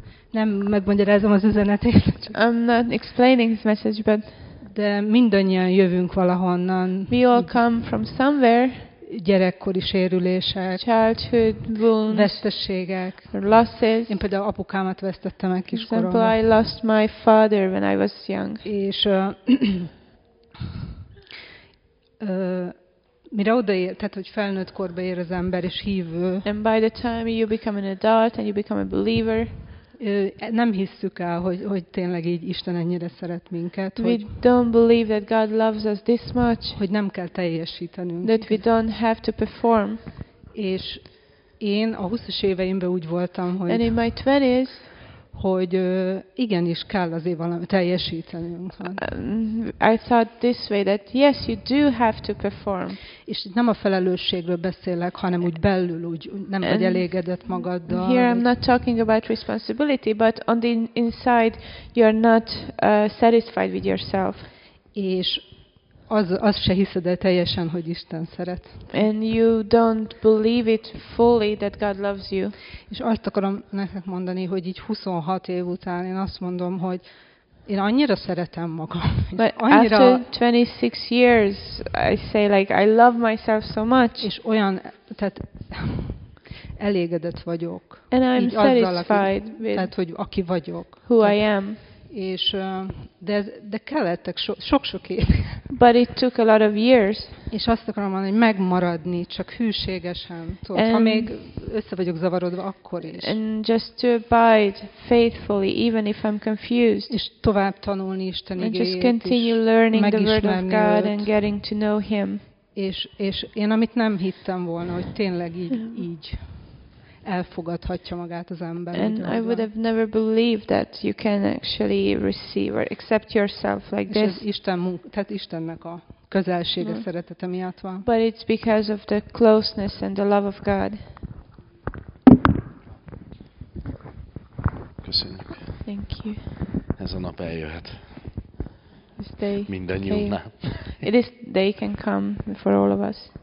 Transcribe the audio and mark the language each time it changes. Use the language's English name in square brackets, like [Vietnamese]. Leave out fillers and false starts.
[Hungarian] Nem megmagyarázom az üzenetét. [English] I'm not explaining his message, but [Hungarian] de mindannyian jövünk valahonnan. [English] We all come from somewhere. [Hungarian] Gyerekkori sérülések, [English] childhood wounds, [Hungarian] veszteségek, [English] losses. [Hungarian] Én például apukámat vesztettem egy kiskoromban. [English] For example, I lost my father when I was young. [Hungarian] És mire odaér, tehát hogy felnőtt korba ér az ember és hívő. [English] And by the time you become an adult and you become a believer, [Hungarian] nem hisszük el, hogy tényleg így Isten ennyire szeret minket. [English] We don't believe that God loves us this much. [Hungarian] Hogy nem kell teljesítenünk. [English] That we don't have to perform. [Hungarian] És én a 20-as éveimben úgy voltam, hogy. [English] And in my 20s, [Hungarian] hogy igenis kell azért valami teljesítenünk. [English] I thought this way that yes, you do have to perform. [Hungarian] És nem a felelősségről beszélek, hanem úgy belül, úgy nem vagy elégedett magaddal. [English] Here I'm not talking about responsibility, but on the inside you're not satisfied with yourself. [Hungarian] És az se hiszed el teljesen, hogy Isten szeret. [English] And you don't believe it fully that God loves you. [Hungarian] És azt akarom nektek mondani, hogy így 26 év után én azt mondom, hogy én annyira szeretem magam. [English] But [Hungarian] annyira [English] after 26 years, I say like I love myself so much. [Hungarian] És olyan, tehát elégedett vagyok. [English] And I'm satisfied with [Hungarian] tehát, hogy aki vagyok. [English] Who [Hungarian] tehát, [English] I am. [Hungarian] És de kellettek sok-sok év. [English] But it took a lot of years. [Hungarian] És azt akarom mondani, hogy megmaradni, csak hűségesen. Tudod, ha még össze vagyok zavarodva, akkor is. [English] And just to abide faithfully, even if I'm confused. [Hungarian] És tovább tanulni Isten igéjét is. [English] Just continue learning the word of God and getting to know Him. [Hungarian] És én amit nem hittem volna, hogy tényleg így. Elfogadhatja magát az ember. [English] And [Hungarian] gyorsan. [English] I would have never believed that you can actually receive or accept yourself like this. [Hungarian] És tehát Istennek a közelsége szeretete miatt van. [English] But it's because of the closeness and the love of God. [Hungarian] Köszönjük. [English] Thank you. [Hungarian] Ez a nap eljöhet. [English] This day. [Hungarian] Mindannyiunknál. [English] It is, they can come for all of us.